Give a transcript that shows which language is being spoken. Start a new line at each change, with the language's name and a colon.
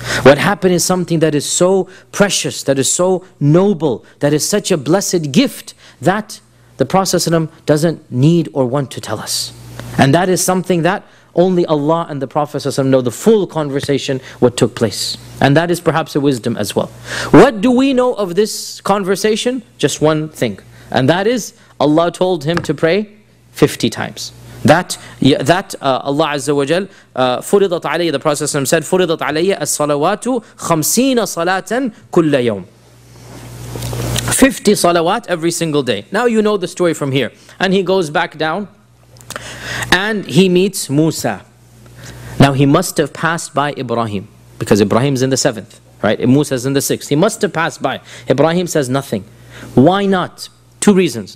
English: What happened is something that is so precious, that is so noble, that is such a blessed gift that the Prophet ﷺ doesn't need or want to tell us. And that is something that Only Allah and the Prophet ﷺ know the full conversation, what took place. And that is perhaps a wisdom as well. What do we know of this conversation? Just one thing. And that is, Allah told him to pray 50 times.
Arabic: Allah Azza wa Jal, فُرِضَتْ عَلَيَّ,
English: the Prophet ﷺ said,
Arabic: فُرِضَتْ عَلَيَّ الصَّلَوَاتُ 50 صَلَاتًا كُلَّ يَوْمٍ.
English: 50 salawat every single day. Now you know the story from here. And he goes back down and he meets Musa. Now he must have passed by Ibrahim, because Ibrahim's in the seventh, right? Musa's in the sixth. He must have passed by. Ibrahim says nothing. Why not? Two reasons.